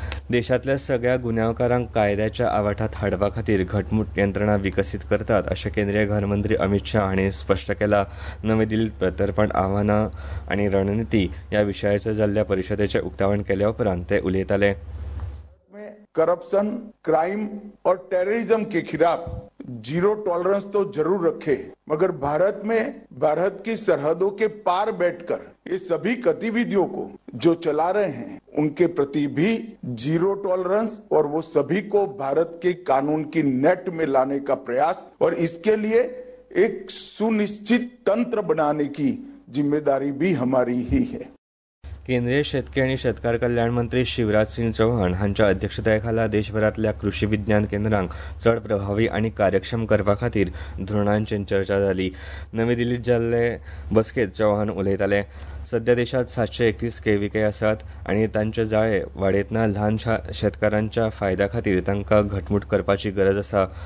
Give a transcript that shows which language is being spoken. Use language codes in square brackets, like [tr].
[gom] देशातल्या सगळ्या गुन्यांवकारांक कायद्याच्या आवाठात हाडपा खातीर घटमूट यंत्रणा विकसीत करतात अशें केंद्रीय घर मंत्री अमित शाह हांणी स्पश्ट केला। नवी दिल्लीत प्रत्यर्पण आव्हानां आनी रणनीती ह्या विशयाचेर जाल्ल्या परिशदेचे उक्तावण केले उपरांत ते उलयताले। [hi] करप्शन, क्राइम और टेररिज्म के खिलाफ जीरो टॉलरेंस तो जरूर रखे, मगर भारत में भारत की सरहदों के पार बैठकर ये सभी गतिविधियों को जो चला रहे हैं उनके प्रति भी जीरो टॉलरेंस और वो सभी को भारत के कानून की नेट में लाने का प्रयास और इसके लिए एक सुनिश्चित तंत्र बनाने की जिम्मेदारी भी हमारी ही है। [gom] केंद्रीय शेतकी आणि शेतकार कल्याण मंत्री शिवराज सिंग चौहान हांच्या अध्यक्षतेखाला देशभरातल्या कृषी विज्ञान केंद्रांक चढ प्रभावी आणि कार्यक्षम करपा खातीर धोरणांचे चर्चा झाली। नवी दिल्लीत जाल्ले बसकेत चौहान उलयताले, सध्या देशात 731 केव्हीके आसात आणि तांचे जाळे वाढयतना ल्हान शेतकऱ्यांच्या फायद्या खातीर तांकां घटमूट करपाची गरज आसा।